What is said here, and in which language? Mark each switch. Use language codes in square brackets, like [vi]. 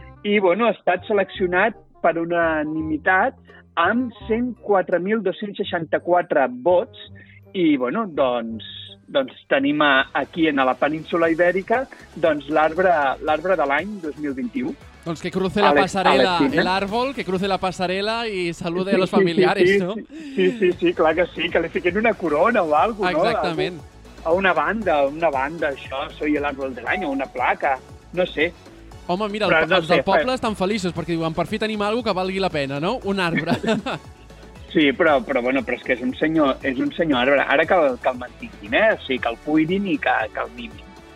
[ca] I, bueno, ha estat seleccionat per unanimitat amb 104.264 vots. I, bueno, doncs, doncs, tenim aquí a la península Ibèrica, doncs, l'arbre de l'any 2021. [es] Doncs que cruce la passarel·la, l'àrbol, que cruce la passarel·la i salude a los familiares, no? [ca] Sí, clar que sí, que li fiquin una corona o alguna cosa, no? Exactament. A una banda, això, [es] soy el árbol del año, [ca] una placa, no sé. Home, mira, però, els del poble estan feliços perquè diuen, per fi tenim alguna cosa que valgui la pena, no? Un arbre. Sí, però és que és un senyor arbre. Ara que el mantinguin, eh? O sigui, que el cuidin i que el mimin.